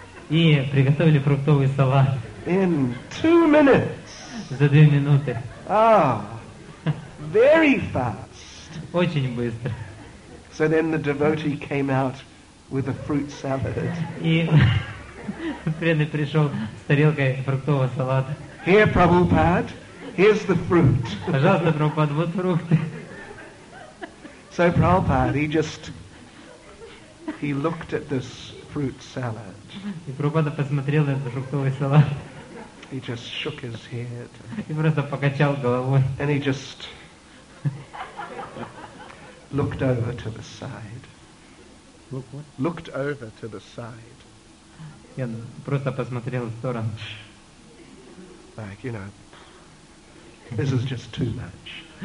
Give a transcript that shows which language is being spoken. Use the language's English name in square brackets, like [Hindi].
[Russian] И приготовили фруктовый салат. [English] In 2 minutes. [Russian] За 2 минуты. [English] Ah, very fast. [Russian] Очень быстро. [English] So then the devotee came out with a fruit salad. [Russian] И преданный пришел с тарелкой фруктового салата. [English] Here, Prabhupada, here's the fruit. [Russian] Пожалуйста, Прабхупада, вот фрукты. [English] So Prabhupada, he just... He looked at this fruit salad. [Russian] И Прабхупада посмотрел на этот фруктовый салат. [English] He just shook his head. [Russian] И просто покачал головой. [English] And he just looked over to the side. Look what? Looked over to the side. [Russian] И он просто посмотрел в сторону. [English] Like, you know, this is just too much.